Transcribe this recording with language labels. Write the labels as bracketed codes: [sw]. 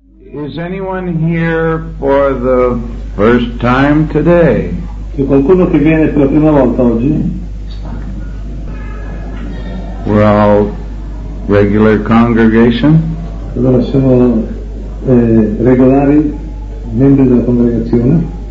[en] Is anyone here for the first time today? [it] C'è qualcuno che viene per la prima volta oggi? [en] We're all regular congregation. [it] Allora siamo regolari membri della congregazione.